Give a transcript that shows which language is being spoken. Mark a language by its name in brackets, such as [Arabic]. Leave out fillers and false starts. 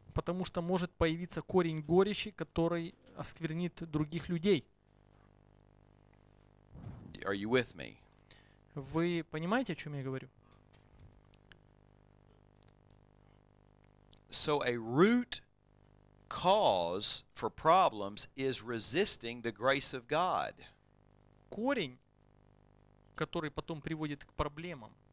[Russian] Потому что может появиться корень горечи, который осквернит других людей. [English] Are you with me? [Russian] Вы понимаете, о чем я говорю? [English] So a root cause for problems is resisting the grace of God. [Russian] Корень, который потом приводит к проблемам.